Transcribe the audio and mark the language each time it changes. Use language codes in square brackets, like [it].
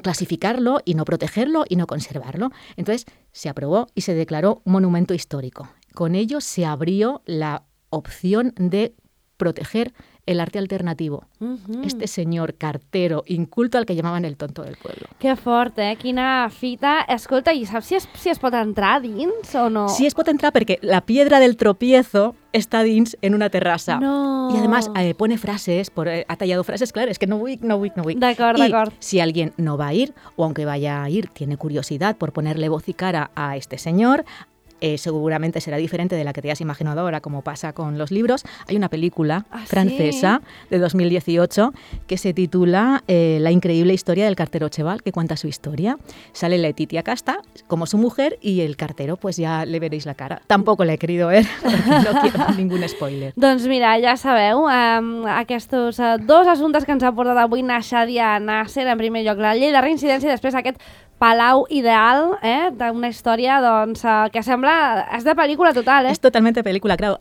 [es] clasificarlo y no protegerlo y no conservarlo. Entonces se aprobó y se declaró monumento histórico. Con ello se abrió la opción de proteger el arte alternativo. Uh-huh. Este senyor cartero, inculto, al que llamaven el tonto del pueblo. [ca] Que fort, eh? Quina fita. Escolta, i saps si es pot entrar dins o no? Sí, es pot entrar perquè [es] la piedra del tropiezo [ca] està dins en una terrassa. No. [es] I, además, pone frases, ha tallado frases, claro, es que [ca] no vull. D'acord, d'acord. [es] Si alguien no va a ir, o aunque vaya a ir, tiene curiosidad por ponerle voz y cara a este señor, seguramente será diferente de la que te has imaginado ahora, como pasa con los libros. Hay una película francesa, ¿sí?, de 2018 que se titula La increíble historia del cartero Cheval, que cuenta su historia. Sale Letitia Casta como su mujer y el cartero, pues ya le veréis la cara. Tampoco la he querido ver, no quiero ningún spoiler. [ca] Doncs mira, ja sabeu, aquests dos assumptes que ens ha portat avui na Xàdia Nasser, en primer lloc la llei de reincidència i després aquest Palau Ideal, d'una història doncs, que sembla... És de pel·lícula total, eh? És totalment pel·lícula, claro.